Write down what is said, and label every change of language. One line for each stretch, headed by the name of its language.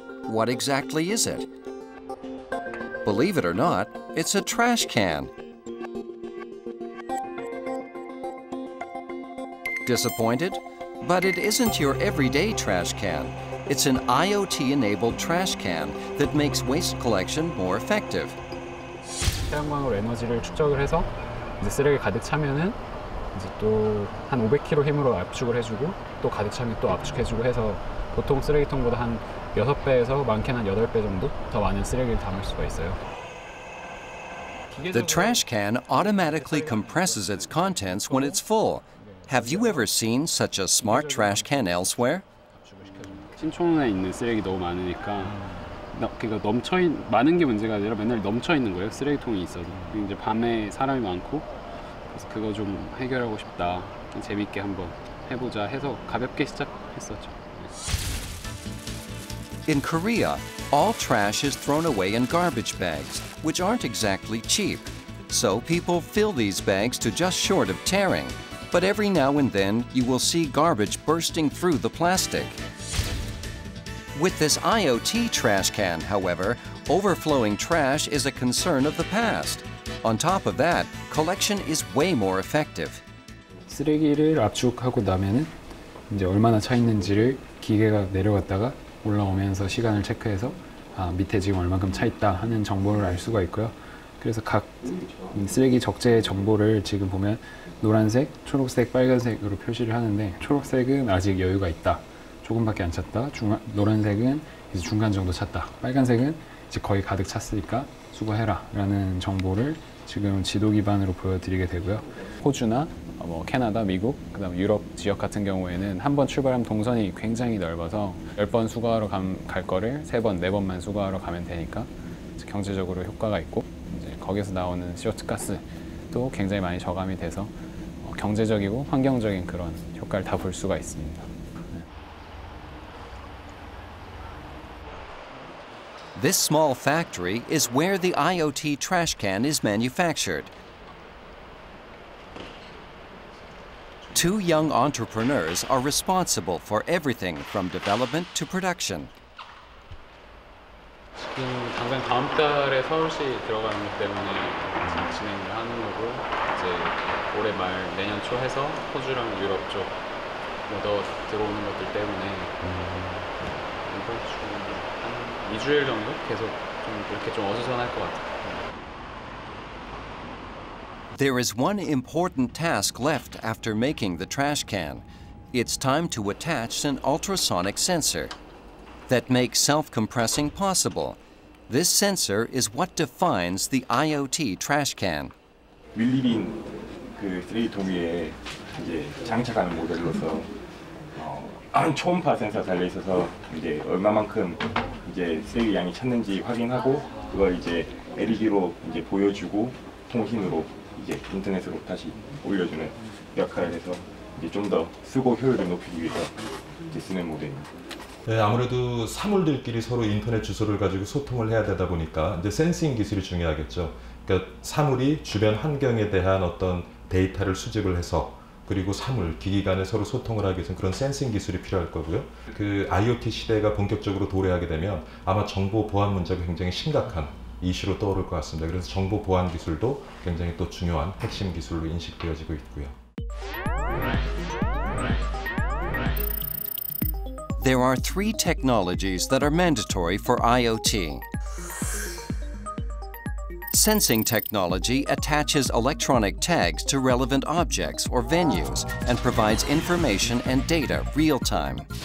English: What exactly is it? Believe it or not, it's a trash can. Disappointed? But it isn't your everyday trash can. It's an IoT-enabled trash can that makes waste collection more effective.
Korean: 태양광으로 에너지를 축적을 해서 이제 쓰레기 가득 차면은 이제 또 한 500kg 힘으로 압축을 해주고 또 가득 차면 또 압축해주고 해서 보통 쓰레기통보다 한 6배에서 많게는 한 8배 정도 더 많은 쓰레기를 담을 수가 있어요.
English: The trash can automatically compresses its contents when it's full. Have you ever seen such a smart trash can elsewhere?
Korean: 신촌에 있는 쓰레기 너무 많으니까 그러니까 넘쳐 많은 게 문제가 아니라 맨날 넘쳐 있는 거예요. 쓰레기통이 있어서. 이제 밤에 사람이 많고 그래서 그거 좀 해결하고 싶다. 재밌게 한번 해 보자 해서 가볍게 시작했었죠.
English: In Korea, all trash is thrown away in garbage bags, which aren't exactly cheap. So people fill these bags to just short of tearing. But every now and then, you will see garbage bursting through the plastic. With this IoT trash can, however, overflowing trash is a concern of the past. On top of that, collection is way more effective.
Korean: 쓰레기를 압축하고 나면 이제 얼마나 차 있는지를 기계가 내려갔다가 올라오면서 시간을 체크해서 아, 밑에 지금 얼만큼 차 있다 하는 정보를 알 수가 있고요. 그래서 각 쓰레기 적재 정보를 지금 보면 노란색, 초록색, 빨간색으로 표시를 하는데 초록색은 아직 여유가 있다. 조금밖에 안 찼다. 노란색은 이제 중간 정도 찼다. 빨간색은 이제 거의 가득 찼으니까 수거해라 라는 정보를 지금 지도 기반으로 보여드리게 되고요. 호주나 뭐 캐나다, 미국, 그다음 유럽 지역 같은 경우에는 한 번 출발하면 동선이 굉장히 넓어서 10번 수거하러 갈 거를 3번, 4번만 수거하러 가면 되니까 경제적으로 효과가 있고 거기서 나오는 CO2 가스도 굉장히 많이 저감이 돼서 경제적이고 환경적인 그런 효과를 다 볼 수가 있습니다.
English: This small factory is where the IoT trash can is manufactured. Two young entrepreneurs are responsible for everything from development to production.
Korean: 지금 당장 다음 달에 서울시 들어가는 것 때문에 진행을 하는 거고 이제 올해 말 내년 초 해서 호주랑 유럽 쪽 뭐 더 들어오는 것들 때문에 이번 주 한 2주일 정도 계속 좀 이렇게 좀 어수선할 것 같아요.
English: There is one important task left after making the trash can. It's time to attach an ultrasonic sensor that makes self-compressing possible. This sensor is what defines the IoT trash can.
Korean: 밀리빈 그 3D 통에 이제 장착하는 모델로서 초음파 센서 달려 있어서 이제 얼마만큼 이제 쓰레기 양이 찼는지 확인하고 그걸 이제 LED로 이제 보여주고 통신으로 이제 인터넷으로 다시 올려주는 역할을 해서 이제 좀 더 수거 효율을 높이기 위해서 이제 쓰는 모델입니다. 네, 아무래도 사물들끼리 서로 인터넷 주소를 가지고 소통을 해야 되다 보니까 이제 센싱 기술이 중요하겠죠. 그러니까 사물이 주변 환경에 대한 어떤 데이터를 수집을 해서 그리고 사물, 기기 간에 서로 소통을 하기 위해서는 그런 센싱 기술이 필요할 거고요. 그 IoT 시대가 본격적으로 도래하게 되면 아마 정보 보안 문제가 굉장히 심각한 이슈로 떠오를 것 같습니다. 그래서 정보 보안 기술도 굉장히 또 중요한 핵심 기술로 인식되어지고 있고요.
English: There are three technologies that are mandatory for IoT. Sensing technology attaches electronic tags to relevant objects or venues and provides information and data real time.